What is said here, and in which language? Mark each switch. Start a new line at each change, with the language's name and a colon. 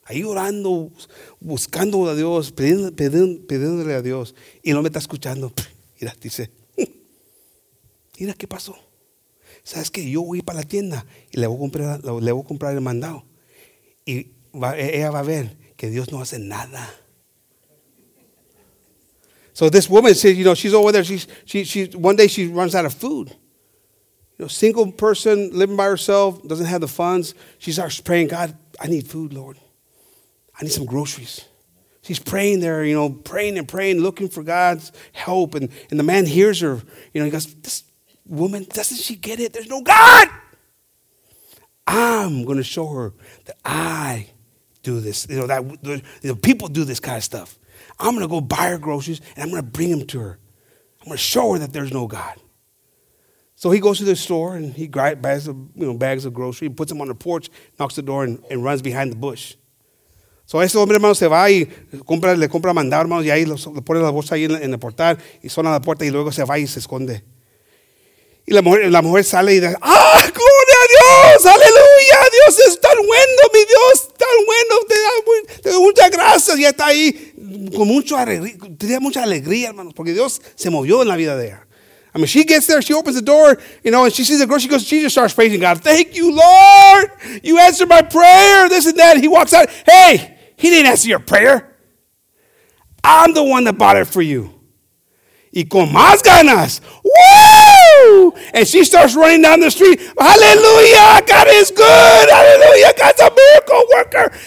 Spanish: Ahí orando, buscando a Dios, pidiéndole a Dios. Y el hombre está escuchando, mira, dice, mira qué pasó. ¿Sabes qué? Yo voy para la tienda y le voy a comprar el mandado. Y ella va a ver que Dios no hace nada.
English: So this woman said, you know, she's over there. One day she runs out of food. You know, single person living by herself, doesn't have the funds. She starts praying, God, I need food, Lord. I need some groceries. She's praying there, you know, praying and praying, looking for God's help. And the man hears her, you know, he goes, this woman, doesn't she get it? There's no God. I'm going to show her that I do this. You know, that you know, people do this kind of stuff. I'm going to go buy her groceries, and I'm going to bring them to her. I'm going to show her that there's no God. So he goes to the store, and he buys bags of groceries, puts them on the porch, knocks the door, and runs behind the bush.
Spanish: So ese hombre, hermano, se va y le compra mandado, hermano, y ahí le pone la bolsa ahí en el portal, y suena la puerta, y luego se va y se esconde. Y la mujer sale y dice, ¡ah, gloria a Dios! ¡Aleluya! ¡Dios es tan bueno, mi Dios! ¡Tan bueno! ¡Te doy muchas gracias! Y está ahí con mucha alegría, hermanos, porque Dios se movió en la vida de ella.
English: I mean, she gets there, she opens the door, you know, and she sees the girl, she goes, she just starts praising God. Thank you, Lord! You answered my prayer, this and that. He walks out, hey, he didn't answer your prayer. I'm the one that bought it for you.
Spanish: Y con más ganas,
English: woo! And she starts running down the street, hallelujah, God is good, hallelujah, God's a miracle worker.